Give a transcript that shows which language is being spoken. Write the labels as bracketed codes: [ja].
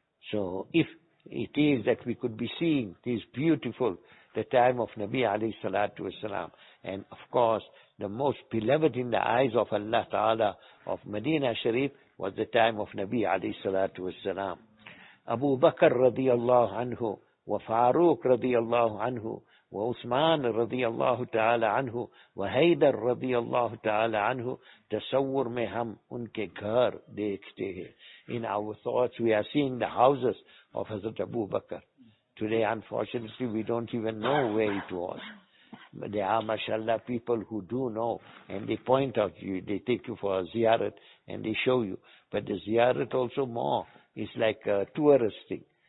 [en] So if it is that we could be seeing this beautiful, the time of Nabi alayhi salatu wasalam, and of course, the most beloved in the eyes of Allah Ta'ala of Medina Sharif was the time of Nabi alayhi salatu wasalam. [ur] Abu Bakr radiallahu anhu, وفاروق رضي الله عنه وعثمان رضي الله تعالى عنه وحيدر رضي الله تعالى عنه تصور میں ہم ان کے گھر دیکھتے ہیں. [en] In our thoughts we are seeing the houses of Hazrat Abu Bakr. Today unfortunately we don't even know where it was. But there are mashallah people who do know, and they point out you, they take you for a ziyarat and they show you. But the ziyarat also more is like a tourist thing.